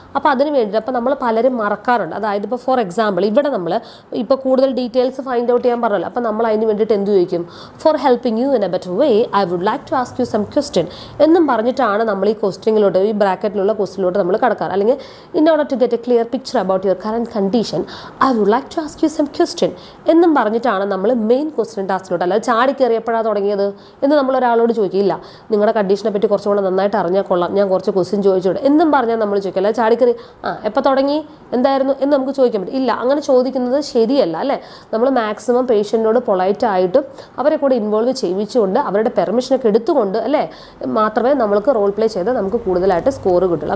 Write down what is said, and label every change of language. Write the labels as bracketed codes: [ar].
[ml] അപ്പോൾ അതിന് വേണ്ടിയിട്ട് അപ്പോൾ നമ്മൾ പലരും മറക്കാറുണ്ട്. അതായത് ഇപ്പോൾ [en] for example [ml] ഇവിടെ നമ്മൾ ഇപ്പോൾ കൂടുതൽ ഡീറ്റെയിൽസ് ഫൈൻഡ് ഔട്ട് ചെയ്യാൻ പറഞ്ഞല്ലോ. അപ്പോൾ നമ്മൾ അതിന് വേണ്ടിയിട്ട് എന്ത് ചോദിക്കും? [en] for helping you in a better way I would like to ask you some question [ml] എന്നും പറഞ്ഞിട്ടാണ് നമ്മൾ ഈ ക്വസ്റ്റ്യനിലോട്ട്, ഈ ബ്രാക്കറ്റിലുള്ള ക്വസ്റ്റ്യനിലോട്ട് നമ്മൾ കടക്കാറ്. അല്ലെങ്കിൽ [en] in order to get a clear picture about your current condition, I would like to ask you some question. [ml] എന്നും പറഞ്ഞിട്ടാണ് നമ്മൾ മെയിൻ ക്വസ്റ്റ്യൻ ടാസ്കിലോട്ട് അല്ലെങ്കിൽ ചാടി കയറിയപ്പോഴാണ് തുടങ്ങിയത് എന്ന് നമ്മൾ ഒരാളോട് ചോദിക്കില്ല. നിങ്ങളുടെ കണ്ടീഷനെ പറ്റി കുറച്ചും കൂടെ നന്നായിട്ട് അറിഞ്ഞാൽ കൊള്ളാം, ഞാൻ കുറച്ച് ക്വസ്റ്റ്യൻ ചോദിച്ചോട്. എന്നും പറഞ്ഞാൽ നമ്മൾ ചോദിക്കും അല്ലെങ്കിൽ ചാടിക്കറി എപ്പോൾ തുടങ്ങി, എന്തായിരുന്നു എന്ന് നമുക്ക് ചോദിക്കാൻ പറ്റും. ഇല്ല, അങ്ങനെ ചോദിക്കുന്നത് ശരിയല്ല അല്ലേ. നമ്മൾ മാക്സിമം പേഷ്യൻറ്റിനോട് പൊളൈറ്റ് ആയിട്ടും അവരെ കൂടെ ഇൻവോൾവ് ചെയ്യിച്ചുകൊണ്ട് അവരുടെ പെർമിഷനൊക്കെ എടുത്തുകൊണ്ട് അല്ലേ മാത്രമേ നമുക്ക് റോൾ പ്ലേ ചെയ്താൽ നമുക്ക് കൂടുതലായിട്ട് സ്കോർ കിട്ടുള്ളൂ.